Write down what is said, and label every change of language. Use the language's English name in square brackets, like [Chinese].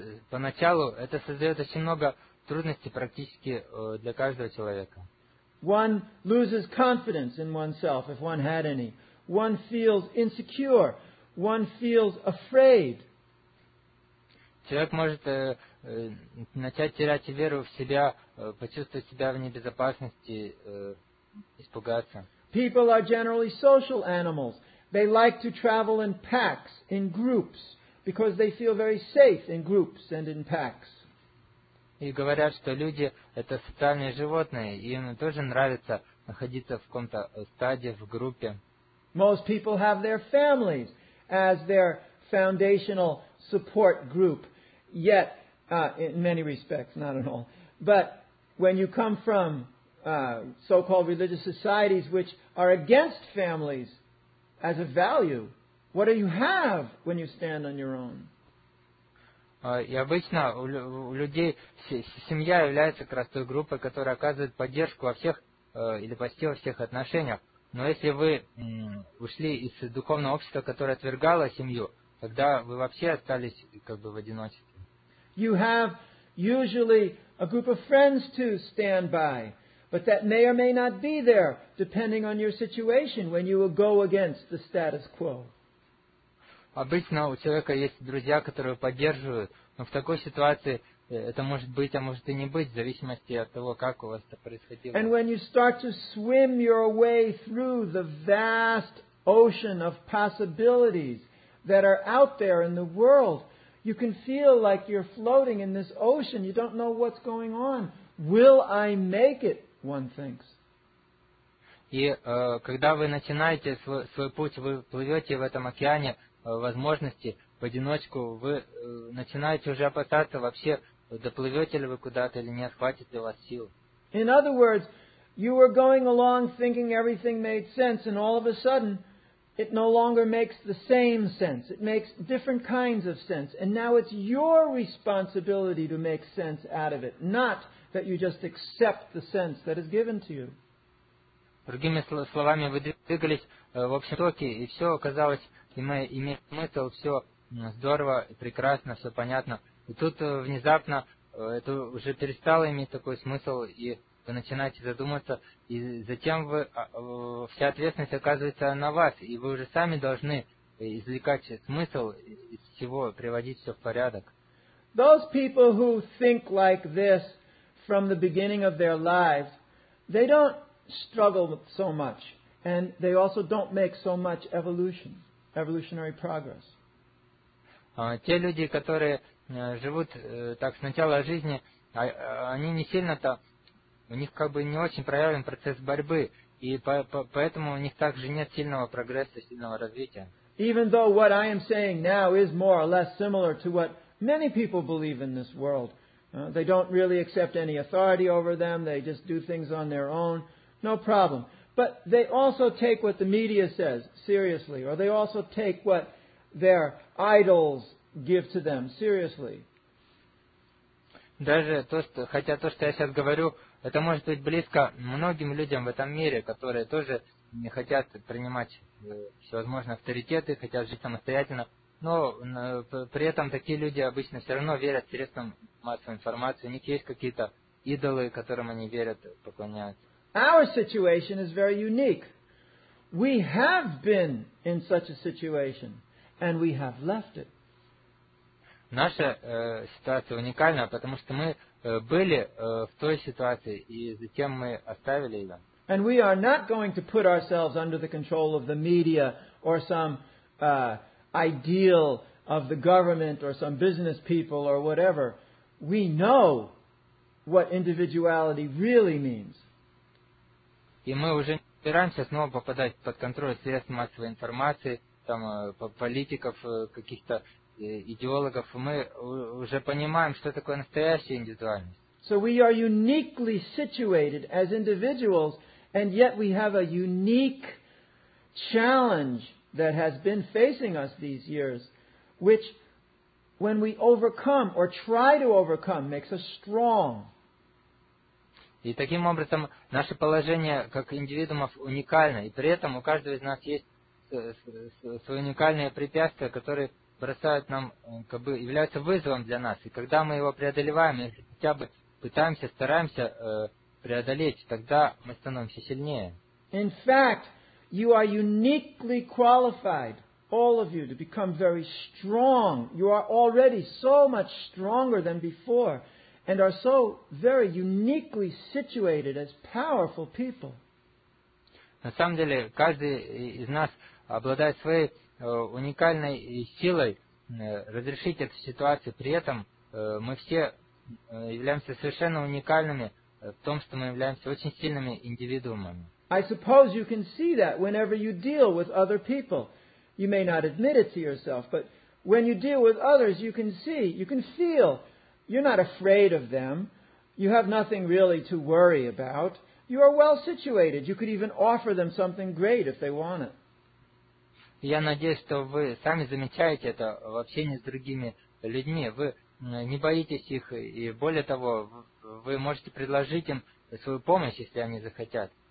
[Russian] Поначалу это создает очень много трудностей практически для каждого человека. [English] One loses confidence in oneself, if one had any. One feels insecure. One feels afraid. [Russian] Человек может начать терять веру в себя, почувствовать себя в небезопасности, испугаться. [English] People are generally social animals. They like to travel in packs, in groups, because they feel very safe in groups and in packs. [Russian] И говорят, что люди – это социальные животные, и им тоже нравится находиться в каком-то стаде, в группе. [English] Most people have their families as their foundational support group. Yet, in many respects, not at all. But when you come from so-called religious societies which are against families as a value, what do you have when you stand on your own? [Russian] И обычно у людей семья является как раз той группой, которая оказывает поддержку во всех или почти во всех отношениях. Но если вы ушли из духовного общества, которое отвергало семью, тогда вы вообще остались как бы в одиночестве. [English] You have usually a group of friends to stand by, but that may or may not be there, depending on your situation, when you will go against the status quo. [Russian] Обычно у человека есть друзья, которые поддерживают, но в такой ситуации это может быть, а может и не быть, в зависимости от того, как у вас это происходило. [English] And when you start to swim your way through the vast ocean of possibilities that are out there in the world, you can feel like you're floating in this ocean. You don't know what's going on. Will I make it? One thinks. [Russian] И когда вы начинаете свой путь, вы плывете в этом океане возможности в одиночку, вы начинаете уже опасаться вообще, доплывете ли вы куда-то или нет, хватит ли у вас сил. [English] In other words, you were going along thinking everything made sense, and all of a sudden, it no longer makes the same sense. It makes different kinds of sense. And now it's your responsibility to make sense out of it, not that you just accept the sense that is given to you. [Russian] Другими словами, вы двигались в общем токе, и все оказалось имеет смысл, все здорово, прекрасно, все понятно. И тут внезапно это уже перестало иметь такой смысл, и вы начинаете задуматься, и затем вся ответственность оказывается на вас, и вы уже сами должны извлекать смысл из всего, приводить все в порядок. [English] Those people who think like this from the beginning of their lives, they don't struggle so much, and they also don't make so much evolution. Evolutionary progress. [Russian] Те люди, которые живут так с начала жизни, они не сильно-то, у них как бы не очень проявлен процесс борьбы, и поэтому у них также нет сильного прогресса, сильного развития. [English] Even though what I am saying now is more or less similar to what many people believe in this world, they don't really accept any authority over them, they just do things on their own, no problem. But they also take what the media says seriously, or they also take what their idols give to them seriously. [Russian] Даже то, что, хотя то, что я сейчас говорю, это может быть близко многим людям в этом мире, которые тоже не хотят принимать всевозможные авторитеты, хотят жить самостоятельно, но при этом такие люди обычно все равно верят средствам массовой информации, у них есть какие-то идолы, которым они верят, поклоняются. [English] Our situation is very unique. We have been in such a situation, and we have left it. [Russian] Наша ситуация уникальна, потому что мы были в той ситуации, и затем мы оставили ее. [English] And we are not going to put ourselves under the control of the media or some ideal of the government or some business people or whatever. We know what individuality really means. [Russian] И мы уже не собираемся снова попадать под контроль средств массовой информации, там, политиков, каких-то идеологов. Мы уже понимаем, что такое настоящая индивидуальность. [English] So we are uniquely situated as individuals, and yet we have a unique challenge that has been facing us these years, which, when we overcome or try to overcome, makes us strong. [Russian] И таким образом наше положение как индивидуумов уникально, и при этом у каждого из нас есть свои уникальные препятствия, которые бросают нам, как бы являются вызовом для нас. И когда мы его преодолеваем, если хотя бы пытаемся, стараемся преодолеть, тогда мы становимся сильнее. [English] In fact, you are uniquely qualified all of you to become very strong. You are already so much stronger than before and are so very uniquely situated as powerful people. [Russian] На самом деле, каждый из нас обладает своей уникальной силой разрешить эту ситуацию. При этом мы все являемся совершенно уникальными в том, что мы являемся очень сильными индивидуумами. [English] I suppose you can see that whenever you deal with other people. You may not admit it to yourself, but when you deal with others, you can see, you can feel. You're not afraid of them. You have nothing really to worry about. You are well situated. You could even offer them something great if they want it. [Russian] Я надеюсь, что вы сами замечаете это в общении с другими людьми. Вы не боитесь их, и более того, вы можете предложить им свою помощь, если они захотят.